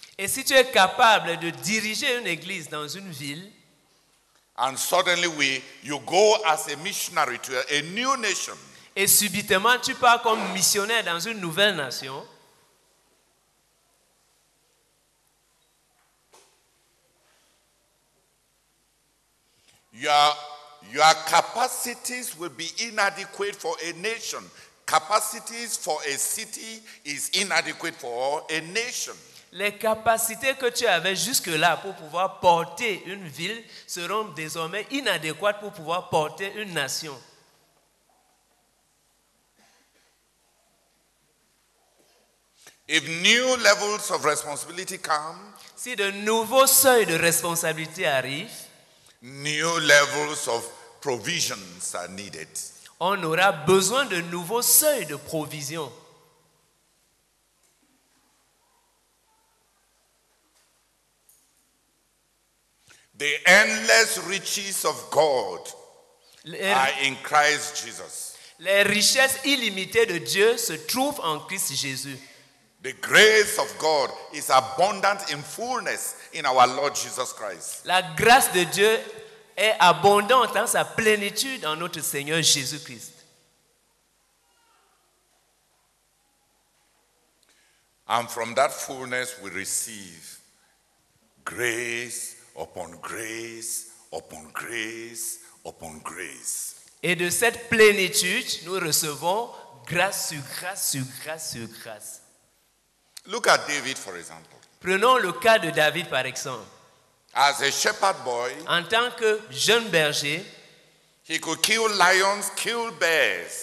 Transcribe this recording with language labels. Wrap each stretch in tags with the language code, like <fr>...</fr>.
<fr>et si tu es capable de diriger une église dans une ville,</fr> <en>and suddenly you go as a missionary to a new nation.</en> <fr>Et subitement, tu pars comme missionnaire dans une nouvelle nation.</fr> <en>Your capacities will be inadequate for a nation. Capacities for a city is inadequate for a nation.</en> <fr>Les capacités que tu avais jusque-là pour pouvoir porter une ville seront désormais inadéquates pour pouvoir porter une nation.</fr> <en>If new levels of responsibility come,</en> <fr>si de nouveaux seuils de responsabilité arrivent,</fr> <en>new levels of provisions are needed.</en> <fr>On aura besoin de nouveaux seuils de provision.</fr> <en>The endless riches of God are in Christ Jesus.</en> <fr>Les richesses illimitées de Dieu se trouvent en Christ Jésus.</fr> <en>The grace of God is abundant in fullness in our Lord Jesus Christ.</en> <fr>La grâce de Dieu est abondante en sa plénitude en notre Seigneur Jésus Christ.</fr> <en>And from that fullness we receive grace upon grace upon grace upon grace.</en> <fr>Et de cette plénitude, nous recevons grâce sur grâce sur grâce sur grâce.</fr> <en>Look at David, for example.</en> <fr>Prenons le cas de David, par exemple.</fr> <en>As a shepherd boy,</en> <fr>en tant que jeune berger,</fr> <en>he could kill lions, kill bears.</en>